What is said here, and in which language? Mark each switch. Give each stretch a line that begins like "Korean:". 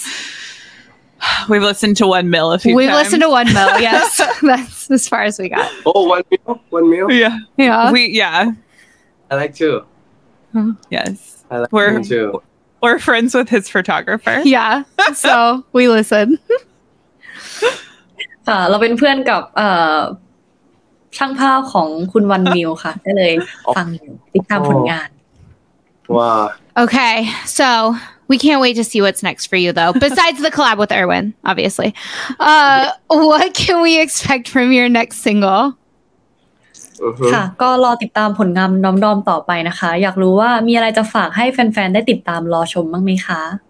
English: So. We've listened to 1 Mil a few times. We've listened to 1 Mil. Yes, that's as far as we got. Oh, 1 Mil. 1 Mil. Yeah. I like too. Yes. I like We're, too. Or friends with his photographer. Yeah, so we listen.
Thai: เราเป็นเพื่อนกับช่างภาพของคุณวันมิวค่ะก็เลยฟังติดตามผลงาน ว้า
English: Okay, so We can't wait to see what's next for you, though, besides the collab with Erwin, obviously. What can we expect from your next single?
Thai: ค่ะก็รอติดตามผลงานน้องดอมต่อไปนะคะอยากรู้ว่ามีอะไรจะฝากให้แฟนๆได้ติดตามรอชมบ้างไหมคะ